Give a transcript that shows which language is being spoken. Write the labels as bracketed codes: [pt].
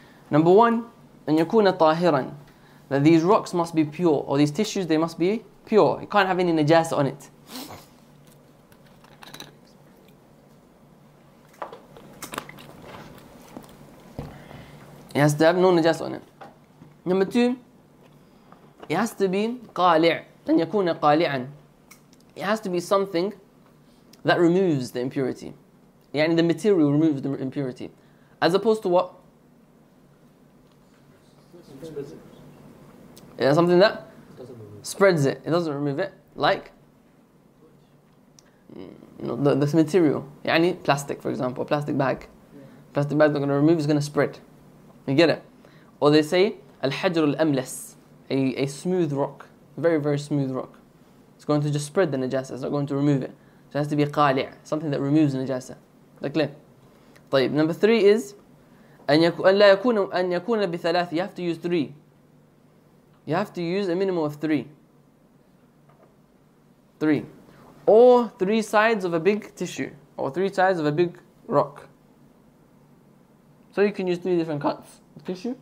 [en] Number one, [ar] أن يكون طاهراً. [en] That these rocks must be pure, or these tissues, they must be pure. It can't have any najasa on it. It has to have no najasa on it. Number two, it has to be qali', [ar] لن يكون [en] qali'an. It has to be something that removes the impurity. يعني the material removes the impurity. As opposed to what? Yeah, something that spreads it. It doesn't remove it. Like this material. يعني plastic, for example. Plastic bag. Plastic bag is not going to remove, it's going to spread. You get it? Or they say, [ar] الحجر الأملس. [en] A smooth rock. Very, very smooth rock. It's going to just spread the najasa. It's not going to remove it. So it has to be قالع. Something that removes the najasa. That clear? [ar] طيب, [en] number three is, [ar] أن يكون بثلاث. [en] You have to use three. You have to use a minimum of three. Or three sides of a big tissue. Or three sides of a big rock. So you can use three different cuts of tissue.